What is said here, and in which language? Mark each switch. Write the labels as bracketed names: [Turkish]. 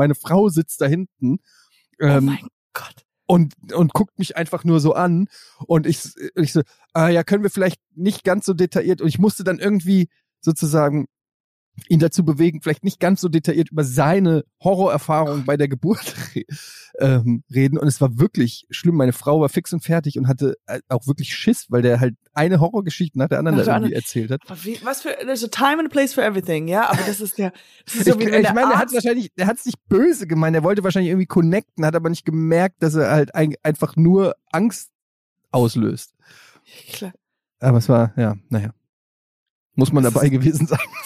[German] Meine Frau sitzt da hinten und guckt mich einfach nur so an und ich so, ja, können wir vielleicht nicht ganz so detailliert und ich musste dann irgendwie sozusagen ihn dazu bewegen, vielleicht nicht ganz so detailliert über seine Horrorerfahrung bei der Geburt reden. Und es war wirklich schlimm. Meine Frau war fix und fertig und hatte auch wirklich Schiss, weil der halt eine Horrorgeschichte nach der anderen erzählt hat. Was für, [English] there's a time and a place for everything, ja? [German] Aber das ist ja, so ich meine, er hat es nicht böse gemeint. Er wollte wahrscheinlich irgendwie connecten, hat aber nicht gemerkt, dass er halt einfach nur Angst auslöst. Klar. Aber es war, ja, naja. Muss man das dabei gewesen sein.